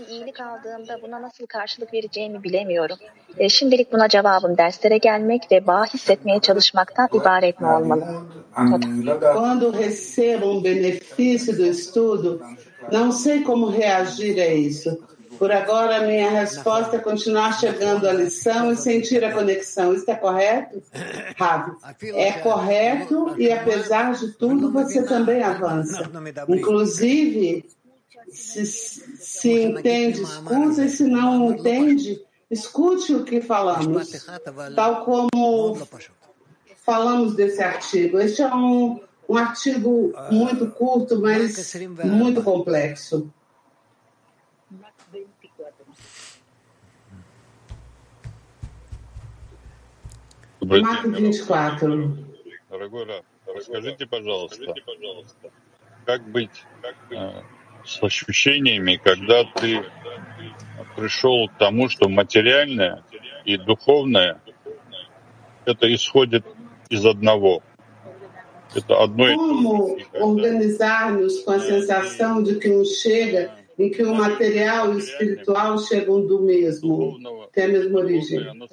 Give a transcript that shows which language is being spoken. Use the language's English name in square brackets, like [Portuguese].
[Turkish] İyilik aldığımda buna nasıl karşılık vereceğimi bilemiyorum. Şimdilik buna cevabım derslere gelmek ve bağ hissetmeye çalışmaktan ibaret mi olmalı? [Portuguese] Quando recebo benefício do estudo, não sei como reagir a isso. Por agora, minha resposta é continuar chegando à lição e sentir a conexão. Isso é correto? Rav, é correto e, apesar de tudo, você também avança. Inclusive, se entende, escuta, e se não entende, escute o que falamos, tal como falamos desse artigo. Este é um artigo muito curto, mas muito complexo. [Russian] Дорогой Рав, расскажите, пожалуйста, как быть с ощущениями, когда ты пришел к тому, что материальное и духовное это исходит из одного. Это одно и то. [Portuguese] Como organizar-nos com a sensação de que um chega, em que o material e o espiritual chegam do mesmo, têm a mesma origem.